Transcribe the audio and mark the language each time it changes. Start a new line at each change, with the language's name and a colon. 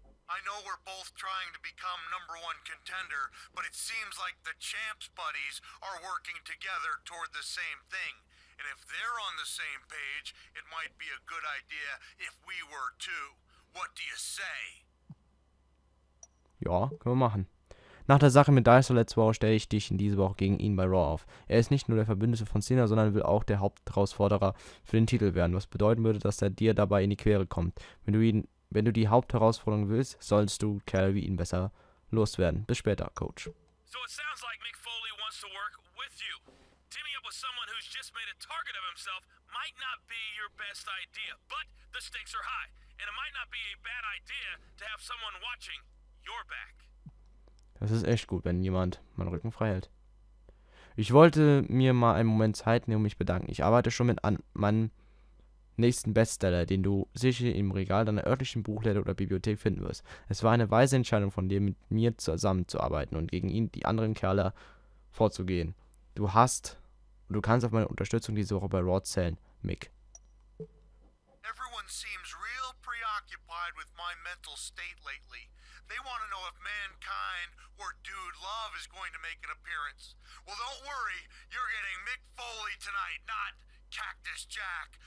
English: I know we're both trying to become number one contender, but it seems like the champs buddies are working together toward the same thing. And if they're on the same page, it might be a good idea if we were too. What do you say?
German: Ja, können wir machen. Nach der Sache mit Dicer letzte Woche stelle ich dich in dieser Woche gegen ihn bei Raw auf. Er ist nicht nur der Verbündete von Cena, sondern will auch der Hauptherausforderer für den Titel werden, was bedeuten würde, dass er dir dabei in die Quere kommt. Wenn du die Hauptherausforderung willst, sollst du Kerl wie ihn besser loswerden. Bis später, Coach.
English: So it sounds like Mick Foley wants to work with you. Teaming up with someone who's just made a target of himself might not be your best idea, but the stakes are high. And it might not be a bad idea to have someone watching your back.
German: Das ist echt gut, wenn jemand meinen Rücken frei hält. Ich wollte mir mal einen Moment Zeit nehmen, um mich bedanken. Ich arbeite schon mit meinem nächsten Bestseller, den du sicher im Regal deiner örtlichen Buchläden oder Bibliothek finden wirst. Es war eine weise Entscheidung von dir, mit mir zusammenzuarbeiten und gegen ihn die anderen Kerle vorzugehen. Du kannst auf meine Unterstützung diese Woche bei Raw zählen, Mick.
English: Everyone seems real preoccupied with my mental state lately. They want to know if Mankind or Dude Love is going to make an appearance. Well, don't worry, you're getting Mick Foley tonight, not Cactus Jack.